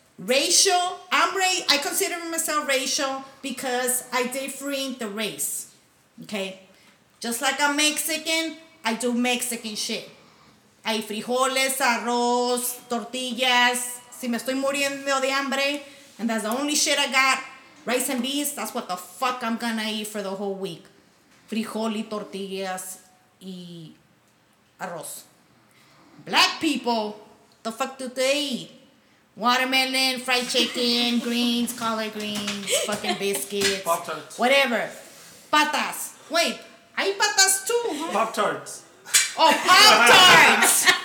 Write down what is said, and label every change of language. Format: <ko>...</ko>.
<en>Racial, I consider myself racial because I differentiate the race. Okay? Just like I'm Mexican, I do Mexican shit. Hay frijoles, arroz, tortillas. Si me estoy muriendo de hambre, and that's the only shit I got, rice and beans, that's what the fuck I'm gonna eat for the whole week.</en> <es>Frijol y tortillas y arroz.</es> <en>Black people, the fuck do they eat? Watermelon, fried chicken, greens, collard greens, fucking biscuits. Pop-Tarts. Whatever. Patas. Wait, I eat patas too, huh? Pop-Tarts. Oh, Pop-Tarts.</en>